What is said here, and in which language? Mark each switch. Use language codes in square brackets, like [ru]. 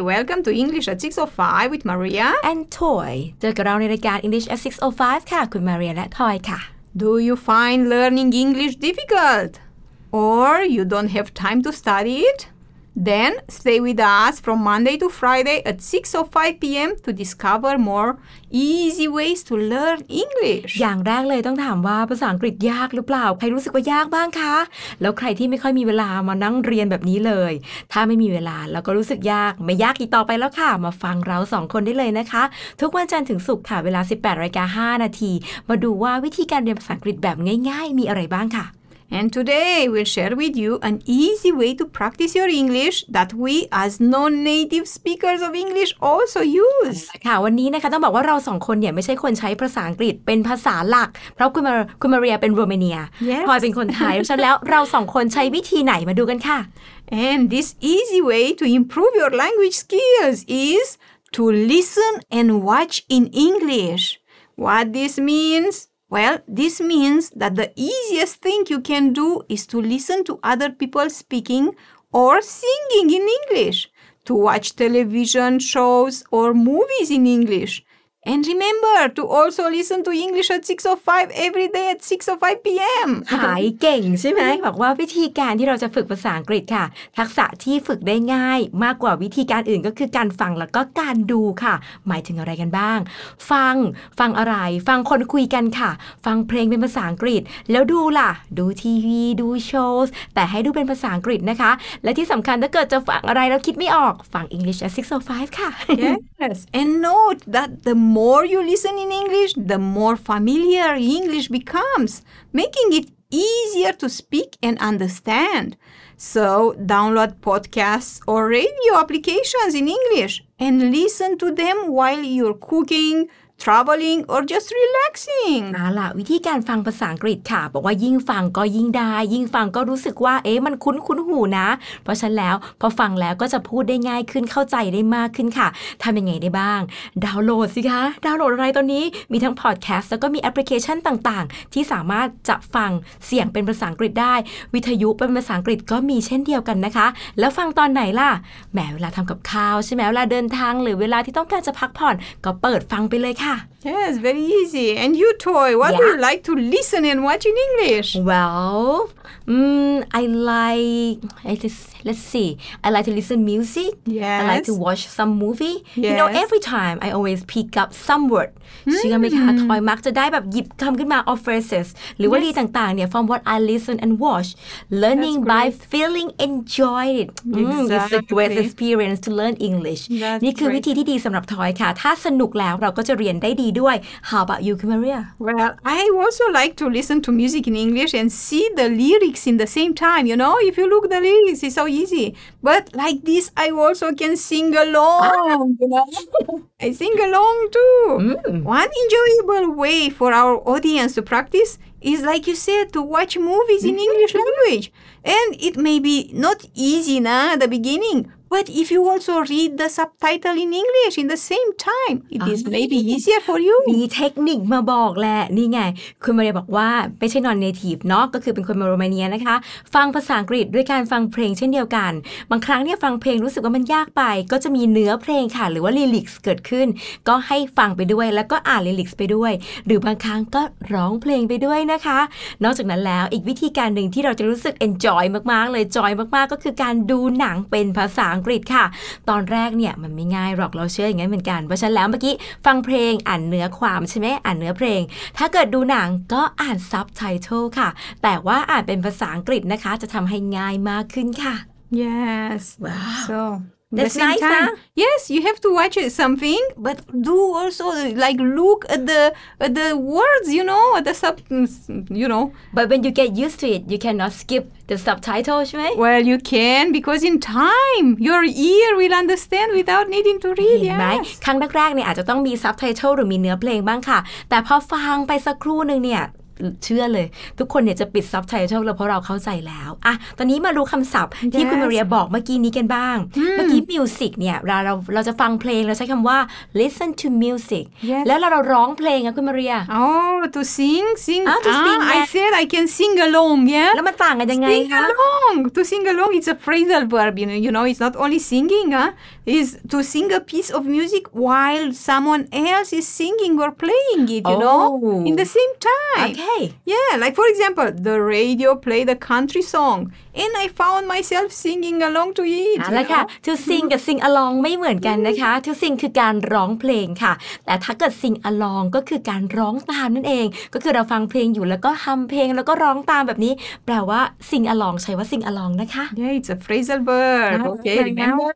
[en] Welcome to English at 6:05 with Maria and Toy. [th] เจอกับเราในรายการ English at 6:05 ค่ะคุณมาเรียและทอยค่ะ [en] Do you find learning English difficult, or you don't have time to study it? Then stay with us from Monday to Friday at 6:05 p.m. to discover more easy ways to learn English. [th] อย่างแรกเลยต้องถามว่าภาษาอังกฤษยากหรือเปล่าใครรู้สึกว่ายากบ้างคะแล้วใครที่ไม่ค่อยมีเวลามานั่งเรียนแบบนี้เลยถ้าไม่มีเวลาแล้วก็รู้สึกยากไม่ยากอีกต่อไปแล้วค่ะมาฟังเรา2คนได้เลยนะคะทุกวันจันทร์ถึงศุกร์ค่ะเวลา 18:05 มาดูว่าวิธีการเรียนภาษาอังกฤษแบบง่ายๆมีอะไรบ้างค่ะ [en] And today, we'll share with you an easy way to practice your English that we, as non-native speakers of English, also use. [th] ค่ะวันนี้นะคะต้องบอกว่าเราสองคนเนี่ยไม่ใช่คนใช้ภาษาอังกฤษเป็นภาษาหลักเพราะคุณมาเรียเป็นโรมาเนียพอยเป็นคนไทยฉะนั้นแล้วเราสองคนใช้วิธีไหนมาดูกันค่ะ [en] And this easy way to improve your language skills is to listen and watch in English. What this means? Well, this means that the easiest thing you can do is to listen to other people speaking or singing in English, to watch television shows or movies in English. And remember to also listen to English at 6:05 every day at 6:05 p.m. [th] หายเก่งใช่ไหมบอกว่าวิธีการที่เราจะฝึกภาษาอังกฤษค่ะทักษะที่ฝึกได้ง่ายมากกว่าวิธีการอื่นก็คือการฟังแล้วก็การดูค่ะหมายถึงอะไรกันบ้างฟังอะไรฟังคนคุยกันค่ะฟังเพลงเป็นภาษาอังกฤษแล้วดูล่ะดูทีวีดูโชว์แต่ให้ดูเป็นภาษาอังกฤษนะคะและที่สำคัญถ้าเกิดจะฟังอะไรแล้วคิดไม่ออกฟัง English at 6:05 ค่ะ [en] Yes and note that the more you listen in English, the more familiar English becomes, making it easier to speak and understand. So, download podcasts or radio applications in English and listen to them while you're cooking,traveling or just relaxing [th] นั่นล่ะวิธีการฟังภาษาอังกฤษค่ะบอกว่ายิ่งฟังก็ยิ่งได้ยิ่งฟังก็รู้สึกว่าเอ๊ะมันคุ้นหูนะเพราะฉะนั้นแล้วพอฟังแล้วก็จะพูดได้ง่ายขึ้นเข้าใจได้มากขึ้นค่ะทำยังไงได้บ้างดาวน์โหลดสิคะดาวน์โหลดอะไรตอนนี้มีทั้งพอดแคสต์แล้วก็มีแอปพลิเคชันต่างๆที่สามารถจะฟังเสียงเป็นภาษาอังกฤษได้วิทยุเป็นภาษาอังกฤษก็มีเช่นเดียวกันนะคะแล้วฟังตอนไหนล่ะแหมเวลาทำกับข้าวใช่ไหมเวลาเดินทางหรือเวลาที่ต้องการจะพักผ่อนก็เปิดฟังไปเลยค่ะ [en] Yes, very easy. And you, Toy, what do you like to listen and watch in English? Well, I like to listen music. Yes. I like to watch some movie. Yes. You know, every time I always pick up some word. [th] เชื่อไหมคะ Toy มักจะได้แบบหยิบคำขึ้นมา [en] of phrases [th] หรือวลีต่างๆเนี่ย [en] from what I listen and watch. Learning by feeling enjoyed. Exactly. It's a great experience to learn English. [th] นี่คือวิธีที่ดีสำหรับ Toy ค่ะถ้าสนุกแล้วเราก็จะเรียนได้ดีด้วย [en] How about you, Maria? Well, I also like to listen to music in English and see the lyrics in the same time. You know, if you look the lyrics, it's so easy. But like this, I also can sing along. I sing along too. One enjoyable way for our audience to practice is, like you said, to watch movies in English language. And it may be not easy, nah, at the beginning. But if you also read the subtitle in English in the same time, it is maybe easier for you. [th] มีเทคนิคมาบอกแหละนี่ไงคุณมาเรียบอกว่าไม่ใช่ non-native เนาะก็คือเป็นคนโรมาเนียนะคะฟังภาษาอังกฤษด้วยการฟังเพลงเช่นเดียวกันบางครั้งเนี่ยฟังเพลงรู้สึกว่ามันยากไปก็จะมีเนื้อเพลงค่ะหรือว่า lyrics เกิดขึ้นก็ให้ฟังไปด้วยแล้วก็อ่าน lyrics ไปด้วยหรือบางครั้งก็ร้องเพลงไปด้วยนะคะนอกจากนั้นแล้วอีกวิธีการนึงที่เราจะรู้สึก enjoy มากๆเลย joy มากๆก็คือการดูหนังเป็นภาษา ตอนแรกเนี่ยมันไม่ง่ายหรอกเราเชื่ออย่างนั้นเหมือนกันเพราะฉะนั้นแล้วเมื่อกี้ฟังเพลงอ่านเนื้อความใช่ไหมอ่านเนื้อเพลงถ้าเกิดดูหนังก็อ่านซับไตเติลค่ะแต่ว่าอ่านเป็นภาษาอังกฤษนะคะจะทำให้ง่ายมากขึ้นค่ะ [en] Yes Wow So That's nice, huh? Yes, you have to watch something, but do also like look at the words, you know, at the sub, you know. But when you get used to it, you cannot skip the subtitles, right? Well, you can because in time, your ear will understand without needing to read. Yes. Right. [th] ครั้งแรกๆเนี่ยอาจจะต้องมี subtitle หรือมีเนื้อเพลงบ้างค่ะแต่พอฟังไปสักครู่นึงเนี่ย เชื่อเลยทุกคนเนี่ยจะปิดซับไตเติลแล้วเพราะเราเข้าใจแล้วอะตอนนี้มารู้คำศัพท์ [en] yes. [th] ที่คุณมาเรียบอกเมื่อกี้นี้กันบ้าง hmm. เมื่อกี้มิวสิกเนี่ยเราจะฟังเพลงเราใช้คำว่า [en] listen to music yes. [th] แล้วเราร้องเพลงอะคุณมาเรีย [en] อ oh, to sing sing to sing I said I can sing along yeah [th] แล้วมันต่างกันยังไงคะ [en] sing along to sing along it's a phrasal verb you know it's not only singing is to sing a piece of music while someone else is singing or playing it you know in the same time okay yeah like for example the radio played a country song and I found myself singing along to it [th] นะคะ to sing กับ sing along ไม่เหมือนกันนะคะ to sing คือการร้องเพลงค่ะแต่ถ้าเกิด sing along ก็คือการร้องตามนั่นเองก็คือเราฟังเพลงอยู่แล้วก็ฮัมเพลงแล้วก็ร้องตามแบบนี้แปลว่า sing along ใช้ว่า sing along นะคะ [en] yeah it's a phrasal verb okay remember